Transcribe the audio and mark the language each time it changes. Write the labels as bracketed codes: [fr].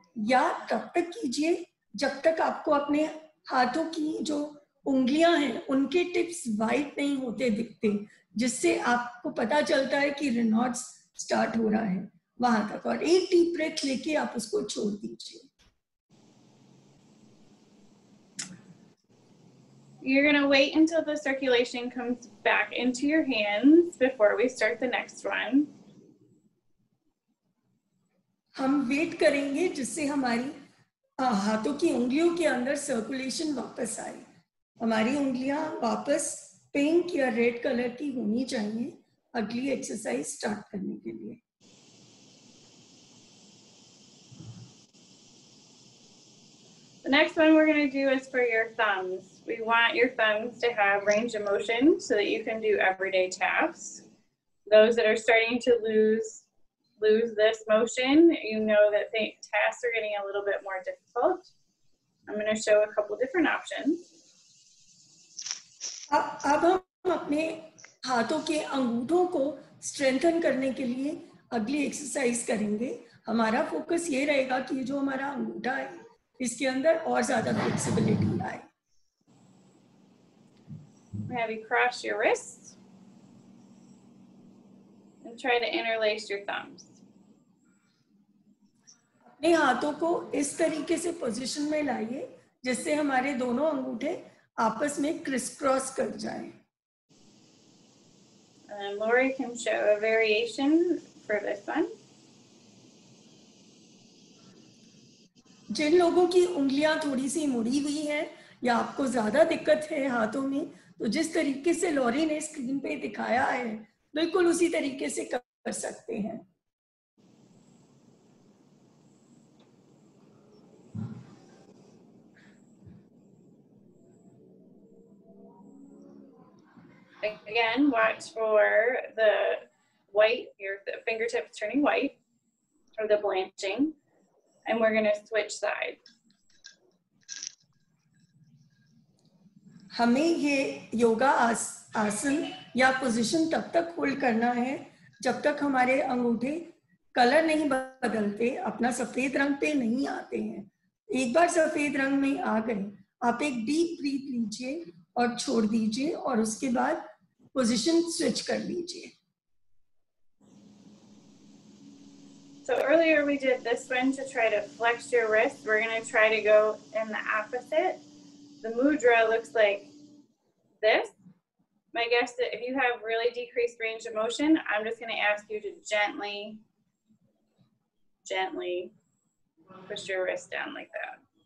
[hi] या तब तक कीजिए जब तक आपको अपने हाथों की जो उंगलियां हैं उनके टिप्स वाइट नहीं होते दिखते, जिससे आपको पता चलता है कि रेनॉड्स स्टार्ट हो रहा है वहां तक. और एक डीप ब्रेथ लेके आप उसको छोड़ दीजिए. [en] You're going to wait until the circulation comes back into your hands before we start the next one. [hi] हम वेट करेंगे जिससे हमारी हाथों की उंगलियों के अंदर सर्कुलेशन वापस आए. हमारी उंगलियां वापस पिंक या रेड कलर की होनी चाहिए अगली एक्सरसाइज स्टार्ट करने के लिए. [en] The next one we're going to do is for your thumbs. We want your thumbs to have range of motion so that you can do everyday tasks. Those that are starting to lose this motion, you know that tasks are getting a little bit more difficult. I'm going to show a couple different options. [hi] अब हम अपने हाथों के अंगूठों को strengthen करने के लिए अगली एक्सरसाइज करेंगे. हमारा फोकस ये रहेगा कि जो हमारा अंगूठा है इसके अंदर और ज्यादा फ्लेक्सिबिलिटी आए. [en] Have you cross your wrists and try to interlace your thumbs. [hi] अपने हाथों को इस तरीके से पोजीशन में लाइए जिससे हमारे दोनों अंगूठे आपस में क्रिस क्रॉस कर जाएं. [en] Lori can show a variation for this one. [hi] जिन लोगों की उंगलियां थोड़ी सी मुड़ी हुई हैं या आपको ज्यादा दिक्कत है हाथों में, तो जिस तरीके से लॉरी ने स्क्रीन पे दिखाया है बिल्कुल उसी तरीके से कर सकते हैं. [en] Again, watch for the white, your fingertips turning white or the blanching. And we're going to switch sides. [hi] हमें ये योगा आसन या पोजीशन तब तक होल्ड करना है जब तक हमारे अंगूठे कलर नहीं बदलते, अपना सफेद रंग पे नहीं आते हैं. एक बार सफेद रंग में आ गए आप एक डीप ब्रीथ लीजिए और छोड़ दीजिए और उसके बाद पोजिशन स्विच कर लीजिए. [en] So earlier we did this one to try to flex your wrist. We're going to try to go in the opposite. The mudra looks like this. My guess is if you have really decreased range of motion, I'm just going to ask you to gently, gently push your wrist down like that.